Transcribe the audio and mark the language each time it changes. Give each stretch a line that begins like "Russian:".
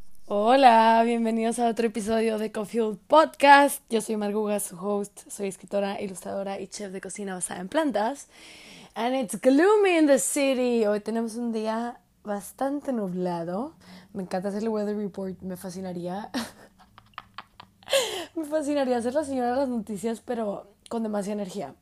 Spanish: Hola, bienvenidos a otro episodio de Cofield Podcast. Yo soy Marguga, su host. Soy escritora, ilustradora y chef de cocina basada en plantas.
English: And it's gloomy in the city.
Spanish: Hoy tenemos un día bastante nublado. Me encanta hacer el weather report. Me fascinaría. Me fascinaría ser la señora de las noticias, pero con demasiada energía.